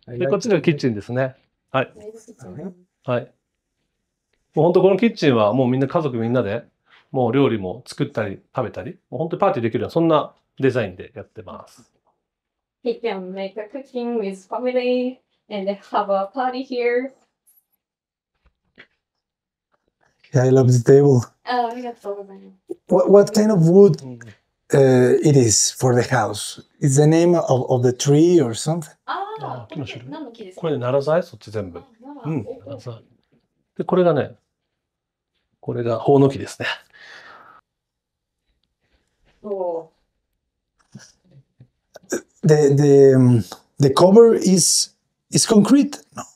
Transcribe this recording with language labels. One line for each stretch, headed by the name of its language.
Japanese: こっちがキッチンですね。はい。はい。もう本当このキッチンはもうみんな家族みんなで。もう料理も作ったり食べたり、もう本当にパーティーできるようなそんなデザインでやってます。
English: He can make a cooking with family and have a party here. Yeah, I love the table.
Japanese: Oh, ありがとうございます。
English: What kind of wood it is for the house? Is the name of the tree or something? ああ、
Japanese: 木の種類。何の木ですか？これ奈良材、そっち全部。奈良材。で、これがね、これがホオノキですね。
English: The cover is concrete. No.